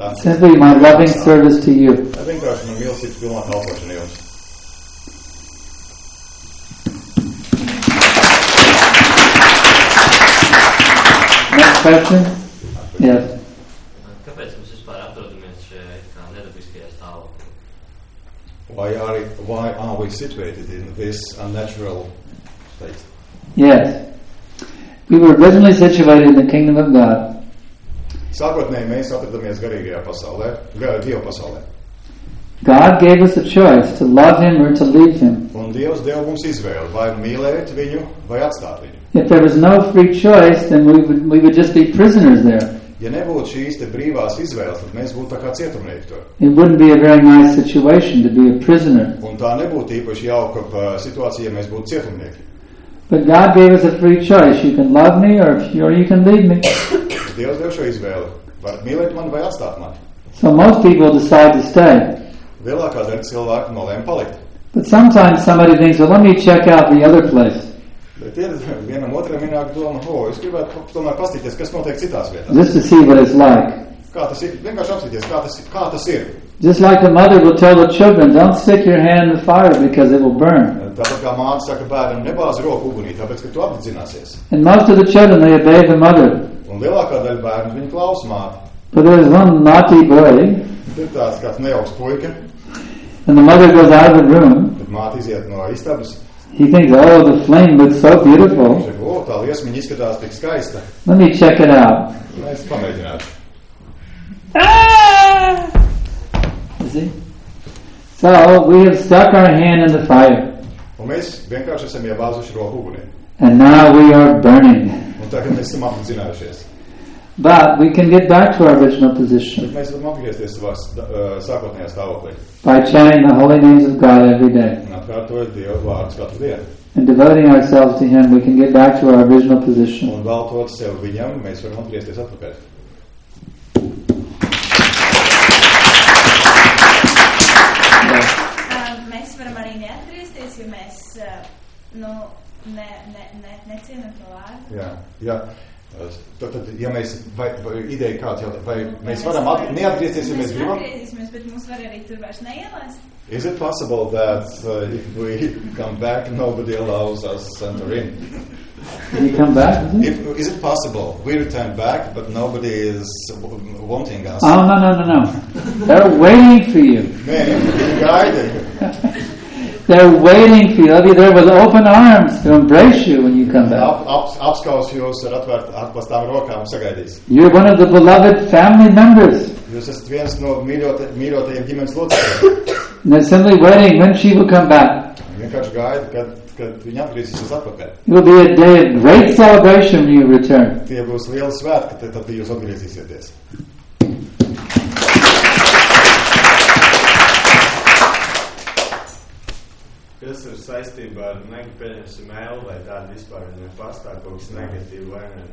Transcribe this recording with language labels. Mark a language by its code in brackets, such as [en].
[en] Simply my loving service to you. [lv] Es vienkārši man mīlestības pilnā kalpošana jums. [en] question? Yes. [lv] Kāpēc mēs vispār atrodamies šajā kā nedabiskajā stāvoklī? [en] Why are we situated in this unnatural state? Yes. We were originally situated in the kingdom of God. [lv] Sākotnēji mēs atradāmies garīgajā pasaulē, Dieva pasaulē. [en] God gave us a choice to love him or to leave him. [lv] Un Dievs deva mums izvēli, vai mīlēt viņu, vai atstāt viņu. [en] If there was no free choice, then we would just be prisoners there. [lv] Ja nebūtu šīs te brīvās izvēles, tad mēs būtu tā kā cietumnieki tur. [en] It wouldn't be a very nice situation to be a prisoner. [lv] Un tā nebūtu īpaši jauka situācija, ja mēs būtu cietumnieki. [en] But God gave us a free choice. You can love me or you can leave me. [lv] Dievs deva šo izvēli. Var mīlēt mani vai atstāt mani. [en] So most people decide to stay. [lv] Lielākā daļa cilvēku nolēma palikt. [en] But sometimes somebody thinks, well, let me check out the other place. [lv] Bet vienam otram ienāk doma, es gribētu tomēr paskatīties, kas notiek citās vietās. [en] Just to see what it's like. [lv] Kā tas ir? Vienkārši apskatīties, kā tas ir. [en] Just like the mother will tell the children, don't stick your hand in the fire because it will burn. [lv] Tāpat kā māte saka bērnam, nebāzi roku ugunī, tāpēc, ka tu apdzināsies. [en] And most of the children, they obey the mother. [lv] Un lielākā daļa bērnu, viņi klaus māti. [en] But there is one naughty boy. [lv] Ir tāds kāds nejauks puika. [en] And the mother goes out of the room. [lv] Bet māte iziet no istabas. [en] He thinks, oh, the flame looks so beautiful. [lv] Oh, tā liesmiņa izskatās tik skaista. [en] Let me check it out. [lv] Mēs pamēģinātu. [en] See? So we have stuck our hand in the fire. [lv] Un mēs vienkārši esam iebāzuši roku ugunī. [en] And now we are burning. [lv] Un tagad mēs esam apdzinājušies. [en] But we can get back to our original position. [lv] Bet mēs varam apgriezties savā sākotnējā stāvoklī. [en] By chanting the holy names of God every day. [lv] Un atkārtojot Dievu vārdus katru dienu. [en] And devoting ourselves to him, we can get back to our original position. [lv] Un veltot sevi viņam, mēs varam atgriezties atpakaļ. Mēs varam arī neatgriezties, ja mēs necienam to vārdu. Jā, jā. Tad, ja mēs, vai ideja kāds, vai mēs varam neatgriezties, ja mēs gribam? Mēs atgriezīsimies, bet mums var arī tur vairs neielēst. [en] Is it possible that if we come back, nobody allows us to enter in? You come back? Is it possible? We return back, but nobody is wanting us. Oh, no. They're waiting for you. Man, you're guiding. They're waiting for you. They'll be there with open arms to embrace you when you come back. [lv] Apskaus jūs ar atklātām rokām sagaidīs. [en] You're one of the beloved family members. [lv] Jūs esat viens no mīļotajiem ģimenes locekļiem. [en] They're simply waiting when she will come back. [lv] Vienkārši gaida, kad viņa atgriezīsies atpakaļ. [en] It will be a day of great celebration when you return. [lv] Tie būs liela svētki, tad jūs atgriezīsieties. Kas ir saistībā ar nekāpēc mēlu, vai tāda vispār viņa pastāv, kaut kas negatīva vai ne?